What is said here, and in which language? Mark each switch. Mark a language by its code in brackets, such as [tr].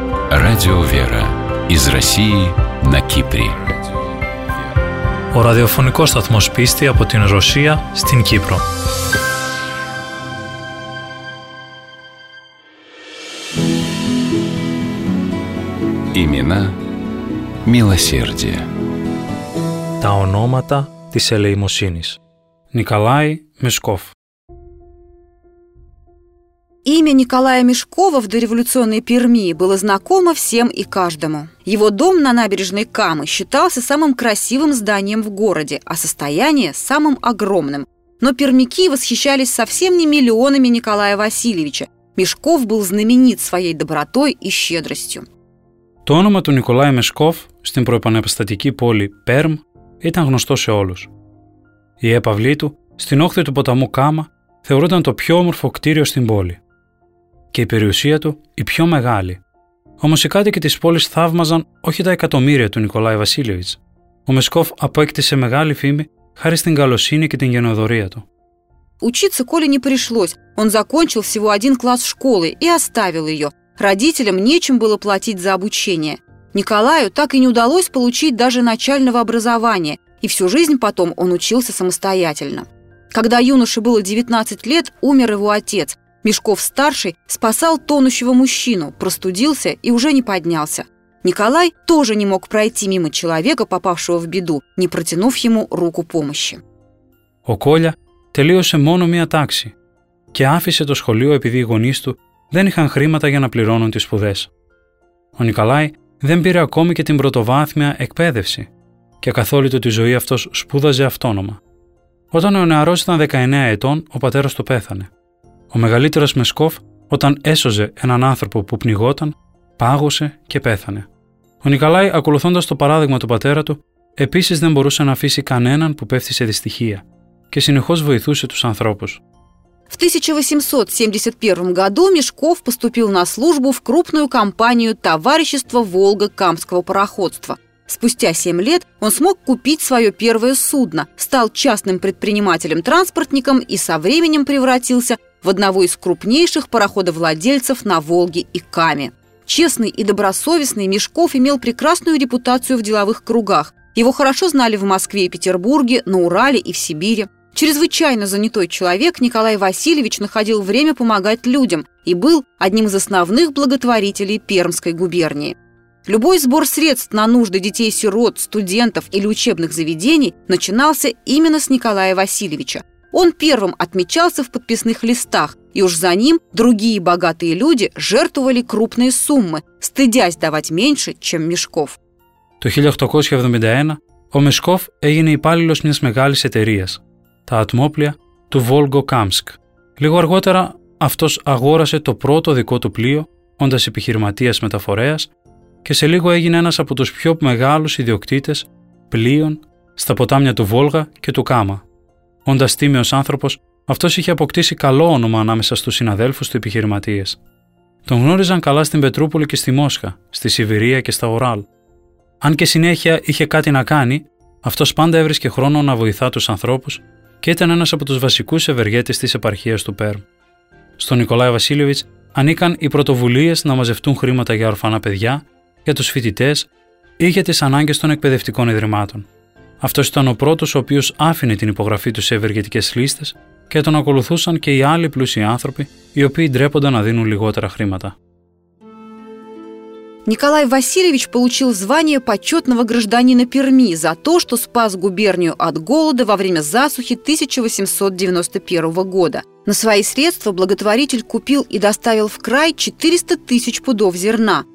[ru] Радио Вера из России на Кипре. [el] О радиофонико сатмос писти από την Ρωσία στην Κύπρο. [ru] Имена милосердия. [el] Τα ονόματα της ελεημοσύνης. [ru] Николай Мешков. Имя Николая Мешкова в дореволюционной Перми было знакомо всем и каждому. Его дом на набережной Камы считался самым красивым зданием в городе, а состояние – самым огромным. Но пермяки восхищались совсем не миллионами Николая Васильевича. Мешков был знаменит своей добротой и щедростью. [el] То όνομα του Николая Мешков στην προεπανεπιστατική πόλη Πέρμ ήταν γνωστό σε όλους. Η έπαυλή του, στην όχθη του ποταμού Κάμα, θεωρούνταν το πιο όμορφο κτίριο στην πόλη. Και η περιουσία του η πιο μεγάλη. Όμως οι κάτοικοι της πόλης θαύμαζαν όχι τα εκατομμύρια του Νικολάη Βασίλειβιτς. Ο Μεσκόφ απέκτησε μεγάλη φήμη χάρη στην καλοσύνη και την γενναιοδωρία του. [ru] Учиться Коле не пришлось. Он закончил всего один класс школы и оставил ее. Родителям нечем было платить за обучение. Николаю так и не удалось получить даже начального образования, и всю жизнь потом он учился самостоятельно. Когда юноше было 19 лет, умер его отец. Мешков-старший спасал тонущего мужчину, простудился и уже не поднялся. Николай тоже не мог пройти мимо человека, попавшего в беду, не протянув ему руку помощи. [el] Ο Коля τελείωσε μόνο μία τάξη και άφησε το σχολείο επειδή οι γονείς του δεν είχαν χρήματα για να πληρώνουν τις σπουδές. Ο Νικολάη δεν πήρε ακόμη και την πρωτοβάθμια εκπαίδευση και καθ' όλη του τη ζωή αυτός σπούδαζε αυτόνομα. Όταν ο νεαρός ήταν 19 ετών, ο πατέρας του πέθανε. Ο μεγαλύτερος Μεσκόφ, όταν έσωζε έναν άνθρωπο που πνιγόταν, πάγωσε και πέθανε. Ο Νικολάη, ακολουθώντας το παράδειγμα του πατέρα του, επίσης δεν μπορούσε να αφήσει κανέναν που πέφτει σε δυστυχία και συνεχώς βοηθούσε τους ανθρώπους. [ru] В 1871 году Мешков поступил на службу в крупную компанию «Товарищество Волга-Камского пароходства». Спустя 7 лет он смог купить свое первое судно, стал частным предпринимателем-транспортником и со временем превратился в одного из крупнейших пароходовладельцев на Волге и Каме. Честный и добросовестный Мешков имел прекрасную репутацию в деловых кругах. Его хорошо знали в Москве и Петербурге, на Урале и в Сибири. Чрезвычайно занятой человек Николай Васильевич находил время помогать людям и был одним из основных благотворителей Пермской губернии. Любой сбор средств на нужды детей-сирот, студентов или учебных заведений начинался именно с Николая Васильевича. Он первым отмечался в подписных листах, и уж за ним другие богатые люди жертвовали крупные суммы, стыдясь давать меньше, чем Мешков. [el] В 1871 Мешков έγινε υπάλληλος μιας μεγάλης εταιρείας. Τα ατμόπλια του Βόλγο-Κάμσκ. Λίγο αργότερα αυτός αγόρασε το πρώτο δικό του πλοίο, όντας επιχειρηματίας μεταφορέας, και σε λίγο έγινε ένας από τους πιο μεγάλους ιδιοκτήτες πλοίων στα ποτάμια του Βόλγα και του Κάμα. Όντας τίμιος άνθρωπος, αυτός είχε αποκτήσει καλό όνομα ανάμεσα στους συναδέλφους του επιχειρηματίες. Τον γνώριζαν καλά στην Πετρούπολη και στη Μόσχα, στη Σιβηρία και στα Ουράλ. Αν και συνέχεια είχε κάτι να κάνει, αυτός πάντα έβρισκε χρόνο να βοηθά τους ανθρώπους και ήταν ένας από τους βασικούς ευεργέτες της επαρχίας του Πέρμ. Στον Νικολάη Βασίλειοβιτς ανήκαν οι πρωτοβουλίες να μαζευτούν χρήματα για ορφανά παιδιά, για τους φοιτητές ή για τις ανάγκες των εκπαιδευτικών ιδρυμάτων. Αυτός ήταν ο πρώτος ο οποίος άφηνε την υπογραφή του σε ευεργετικές λίστες και τον ακολουθούσαν και οι άλλοι πλούσιοι άνθρωποι οι οποίοι ντρέπονταν να δίνουν λιγότερα χρήματα. [ru] Николай Васильевич получил звание почетного гражданина Перми за то, что спас губернию от голода во время засухи 1891 года. На свои средства благотворитель купил и доставил в край 400 тысяч пудов зерна.